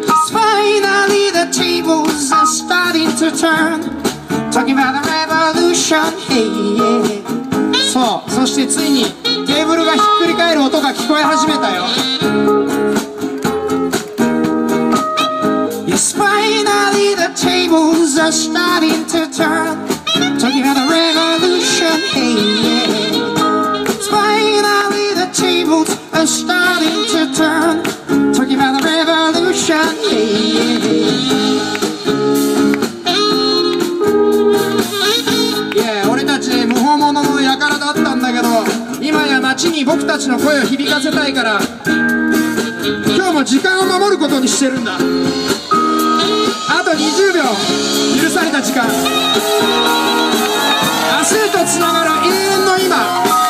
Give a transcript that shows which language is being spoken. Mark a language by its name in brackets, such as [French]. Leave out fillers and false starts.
[English] Finally the tables are starting to turn. Talking about a revolution. Hey, yeah. [Japanese] そう、そしてついにテーブルがひっくり返る音が聞こえ始めたよ。 [English] Finally the tables are starting to turn. Talking about a revolution, hey yeah. Finally the tables are starting to turn. Talking about a revolution, hey yeah. [Japanese] Yeah, 俺たち無法者の輩だったんだけど、今や街に僕たちの声を響かせたいから、今日も時間を守ることにしてるんだ。 20秒許された時間、明日へとつながる永遠の今。